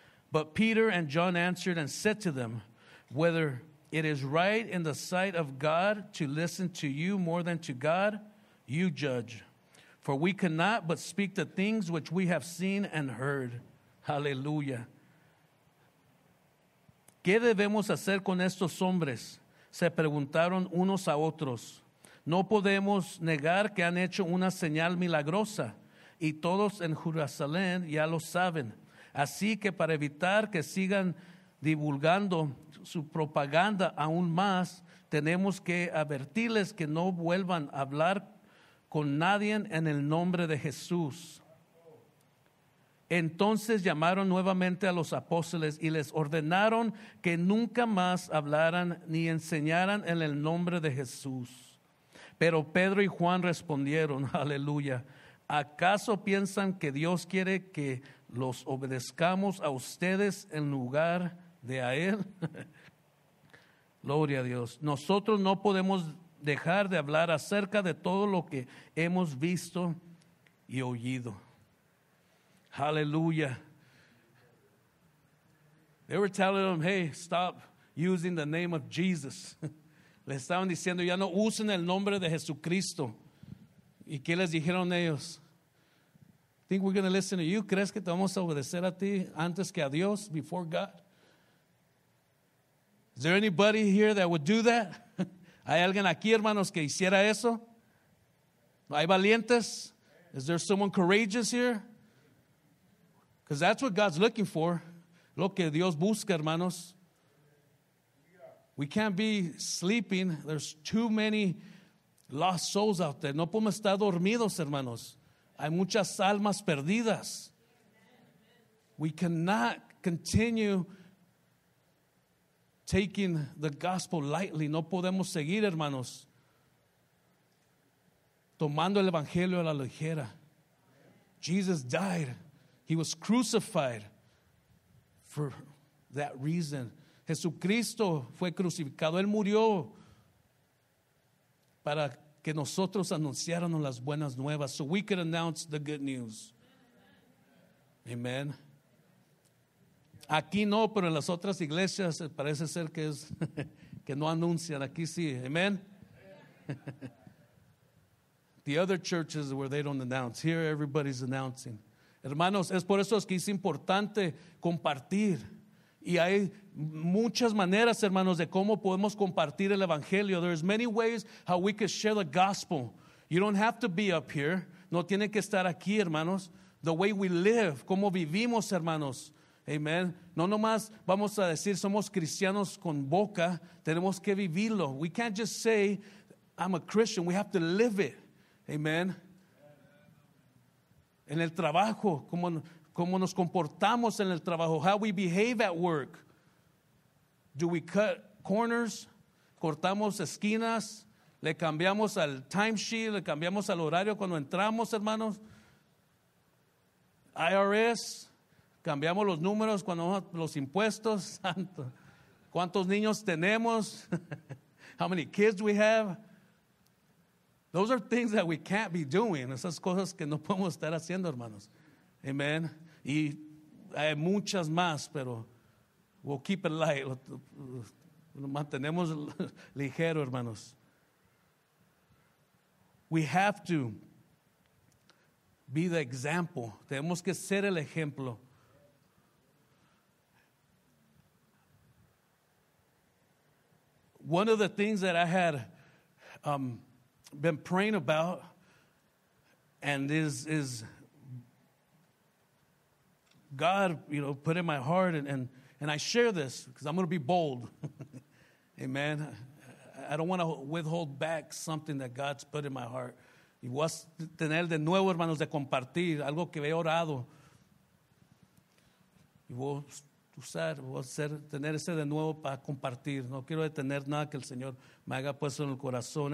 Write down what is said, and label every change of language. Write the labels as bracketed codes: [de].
[en] But Peter and John answered and said to them, "Whether it is right in the sight of God to listen to you more than to God, you judge. For we cannot but speak the things which we have seen and heard." Hallelujah. [es] ¿Qué debemos hacer con estos hombres? Se preguntaron unos a otros. No podemos negar que han hecho una señal milagrosa, y todos en Jerusalén ya lo saben. Así que para evitar que sigan divulgando su propaganda aún más, tenemos que advertirles que no vuelvan a hablar con nadie en el nombre de Jesús. Entonces llamaron nuevamente a los apóstoles y les ordenaron que nunca más hablaran ni enseñaran en el nombre de Jesús. Pero Pedro y Juan respondieron, aleluya, ¿acaso piensan que Dios quiere que los obedezcamos a ustedes en lugar de a Él? Gloria a Dios. Nosotros no podemos dejar de hablar acerca de todo lo que hemos visto y oído. Aleluya. [en] They were telling them, hey, stop using the name of Jesus. [es] Le estaban diciendo, ya no usen el nombre de Jesucristo. ¿Y qué les dijeron ellos? [en] Think we're going to listen to you? [es] ¿Crees que te vamos a obedecer a ti antes que a Dios, [en] before God? Is there anybody here that would do that? [es] ¿Hay alguien aquí, hermanos, que hiciera eso? ¿Hay valientes? [en] Is there someone courageous here? Because that's what God's looking for. [es] Lo que Dios busca, hermanos. [en] We can't be sleeping. There's too many lost souls out there. [es] No podemos estar dormidos, hermanos. Hay muchas almas perdidas. [en] We cannot continue taking the gospel lightly. [es] No podemos seguir, hermanos, tomando el evangelio a la ligera. [en] Jesus died. He was crucified for that reason. [es] Jesucristo fue crucificado. Él murió para que nosotros anunciáramos las buenas nuevas. [en] So we could announce the good news. Amen. [es] Aquí no, pero en las otras iglesias parece ser que es que no anuncian. Aquí sí. Amen. [en] The other churches where they don't announce. Here everybody's announcing. [es] Hermanos, es por eso que es importante compartir. Y hay muchas maneras, hermanos, de cómo podemos compartir el evangelio. [en] There's many ways how we can share the gospel. You don't have to be up here. [es] No tiene que estar aquí, hermanos. [en] The way we live, [es] cómo vivimos, hermanos. Amen. No nomás vamos a decir somos cristianos con boca. Tenemos que vivirlo. [en] We can't just say I'm a Christian. We have to live it. Amen. [es] En el trabajo, cómo nos comportamos en el trabajo. [en] How we behave at work. Do we cut corners? [es] Cortamos esquinas. Le cambiamos al timesheet. Le cambiamos al horario cuando entramos, hermanos. IRS. Cambiamos los números cuando los impuestos. [en] Santo. [es] ¿Cuántos niños tenemos? [en] How many kids do we have? Those are things that we can't be doing. [es] Esas cosas que no podemos estar haciendo, hermanos. Amen. Y hay muchas más, pero [en] we'll keep it light. [es] Lo mantenemos ligero, hermanos. [en] We have to be the example. [es] Tenemos que ser el ejemplo. [en] One of the things that I had been praying about and is God, you know, put in my heart, and I share this because I'm going to be bold. Amen. I don't want to withhold back something that God's put in my heart. [es] Y voy a tener de nuevo, hermanos, de compartir algo que he orado. Y voy a usar, tener ese de nuevo para compartir. No quiero detener nada que el Señor me haya puesto en el corazón.